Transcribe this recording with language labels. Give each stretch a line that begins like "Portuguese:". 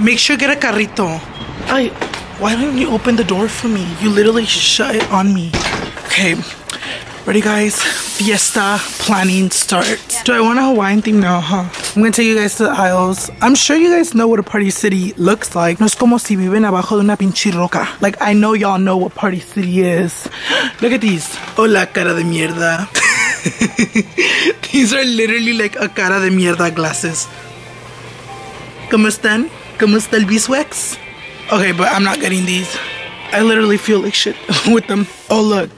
English: Make sure you get a carrito. Ay, why don't you open the door for me? You literally shut it on me. Okay, ready guys? Fiesta planning starts. Yeah. Do I want a Hawaiian theme? No, huh? I'm gonna take you guys to the aisles. I'm sure you guys know what a Party City looks like.
Spanish: No es como si viven abajo de una pinche roca.
English: Like, I know y'all know what Party City is. Look at these.
Spanish: Hola, cara de mierda.
English: These are literally like a cara de mierda glasses.
Spanish: ¿Cómo están? ¿Cómo está el biswex?
English: Okay, but I'm not getting these. I literally feel like shit with them. Oh, look.